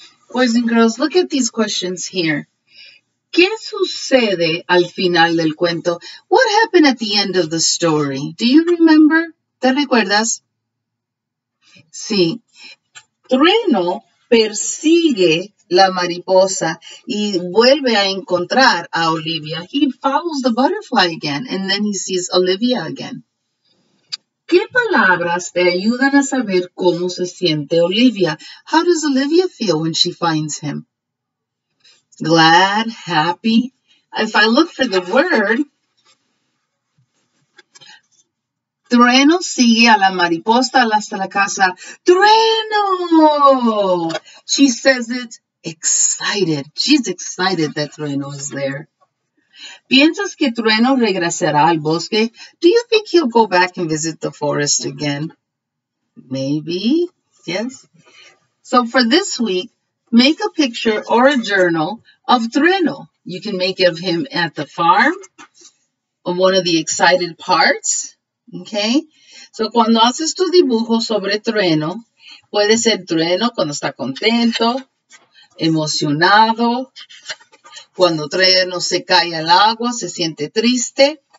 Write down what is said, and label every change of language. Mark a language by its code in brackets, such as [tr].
[en] Boys and girls, look at these questions here. [es] ¿Qué sucede al final del cuento? [en] What happened at the end of the story? Do you remember? [es] ¿Te recuerdas? Sí. Trueno persigue la mariposa y vuelve a encontrar a Olivia. [en] He follows the butterfly again and then he sees Olivia again. [es] ¿Qué palabras te ayudan a saber cómo se siente Olivia? [en] How does Olivia feel when she finds him? Glad, happy. If I look for the word, [es] Trueno sigue a la mariposa hasta la casa. [en] Trueno! She says it excited. She's excited that Trueno is there. [es] ¿Piensas que Trueno regresará al bosque? [en] Do you think he'll go back and visit the forest again? Maybe, yes. So for this week, make a picture or a journal of Trueno. You can make it of him at the farm, on one of the excited parts. [es] Okay, so cuando haces tu dibujo sobre Trueno, puede ser Trueno cuando está contento, emocionado, cuando Trueno se cae al agua, se siente triste.